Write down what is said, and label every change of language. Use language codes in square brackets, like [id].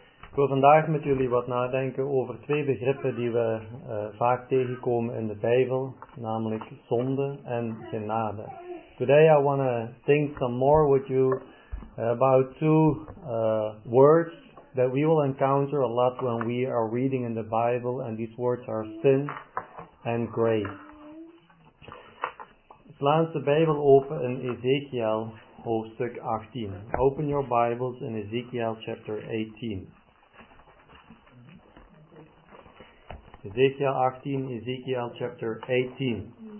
[nl] Ik wil vandaag met jullie wat nadenken over twee begrippen die we vaak tegenkomen in de Bijbel, namelijk zonde en genade. [en] Today I want to think some more with you about two words that we will encounter a lot when we are reading in the Bible, and these words are sin and grace. [nl] Slaan de Bijbel open in Ezekiel hoofdstuk 18. [en] Open your Bibles in Ezekiel chapter 18. Ezekiel 18, Ezekiel chapter 18.